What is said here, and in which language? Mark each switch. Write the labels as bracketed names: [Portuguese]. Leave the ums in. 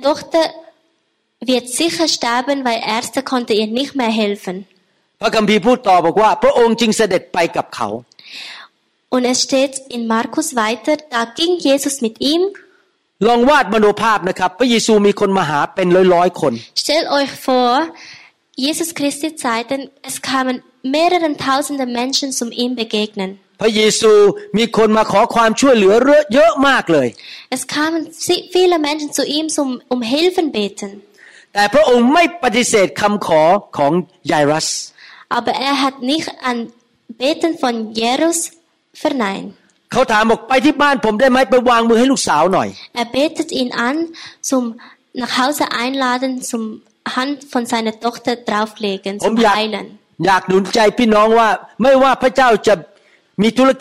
[German] Tochter wird sicher sterben weil Ärzte konnte ihr nicht mehr helfen [Thai] พระคัมภีร์พูดต่อบอกว่าพระองค์จึงเสด็จไปกับเขา [German] Und es steht in Markus weiter da ging Jesus mit ihm [Thai] ลองวาดมโนภาพนะครับพระเยซูมีคนมาหาเป็นร้อยๆคน [German] Stell euch vor Jesus Christi Zeiten es kamen mehreren tausende Menschen zum ihm begegnen [Thai] พระเยซูมีคนมาขอความช่วยเหลือเยอะเยอะมากเลย [German] Es kamen viele Menschen zu ihm um um Hilfe beten [Thai] แต่พระ องค์ไม่ปฏิเสธคำขอของยายรัส [German] Aber er hat nicht an beten von Jesus verneint [Thai] เขาถามบอกไปที่บ้านผมได้ไหมไปวางมือให้ลูกสาวหน่อย [German] Er betet ihn an zum nach Hause einladen zum Hand von seiner Tochter drauflegen zum heilen [Thai] อยากหนุนใจพี่น้องว่าไม่ว่าพระเจ้าจะ [German] ich